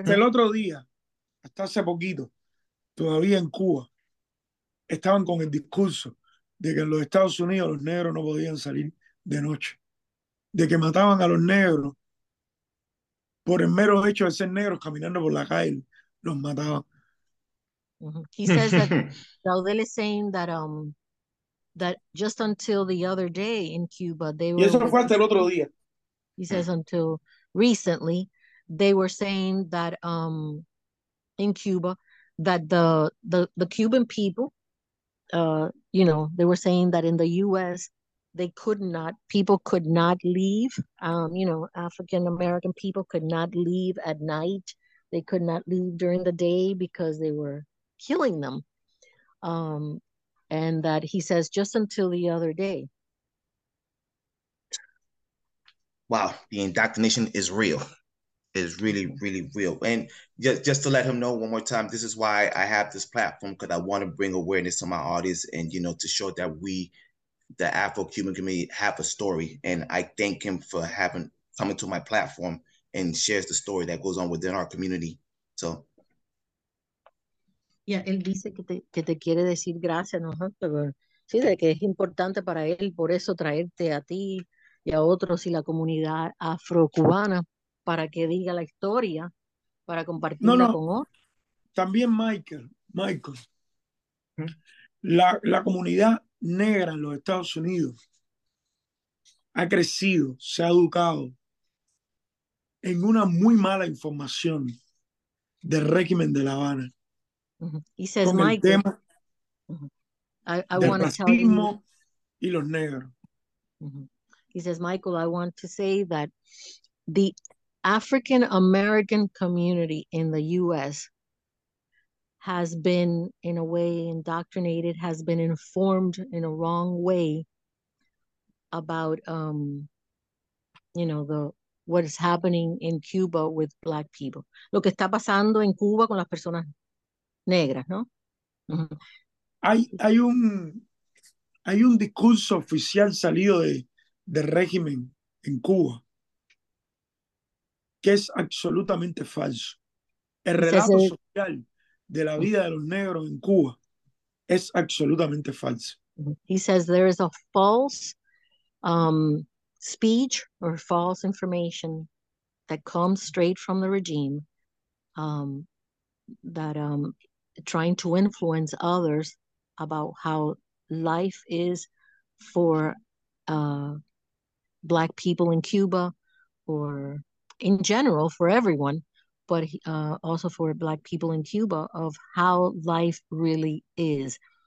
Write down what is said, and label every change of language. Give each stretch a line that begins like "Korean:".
Spanish: Hasta el otro día, hasta hace poquito, todavía en Cuba, estaban con el discurso de que en los Estados Unidos los negros no podían salir de noche, de que mataban a los negros por el mero hecho de ser negros caminando por la calle, los mataban.
English: He says that Raudel is saying that that just until the other day in Cuba, they were.
Spanish: Y eso fue hasta el otro día.
English: He says until recently, they were saying that in Cuba, that the Cuban people, you know, they were saying that in the U.S., people could not leave. You know, African American people could not leave at night. They could not leave during the day because they were killing them, and that he says just until the other day. Wow, the indoctrination is real. It's really, really real. And just to let him know one more time, this is why I have this platform, because I want to bring awareness to my audience, and you know, to show that we, the Afro-Cuban community, have a story. And I thank him for having coming to my platform and shares the story that goes on within our community. So.
Spanish: Ya, él dice que te quiere decir gracias, ¿no? Pero, sí, de que es importante para él, por eso traerte a ti y a otros y la comunidad afrocubana para que diga la historia, para compartirla con otros. También Michael, la comunidad negra en los Estados Unidos ha crecido, se ha educado en una muy mala información del régimen de La Habana.
English: He says, Michael, I want to tell you.
Spanish: Y los negros.
English: He says, Michael, I want to say that the African American community in the U.S. has been, in a way, indoctrinated, has been informed in a wrong way about you know, the what is happening in Cuba with black people.
Spanish: Lo que está pasando en Cuba con las personas negras, ¿no? Mm-hmm. Hay un discurso oficial salido de régimen en Cuba que es absolutamente falso. El relato social de la vida de los negros en Cuba es absolutamente falso.
English: He says there is a false speech or false information that comes straight from the regime that trying to influence others about how life is for black people in Cuba or in general for everyone, but also for black people in Cuba, of how life really is.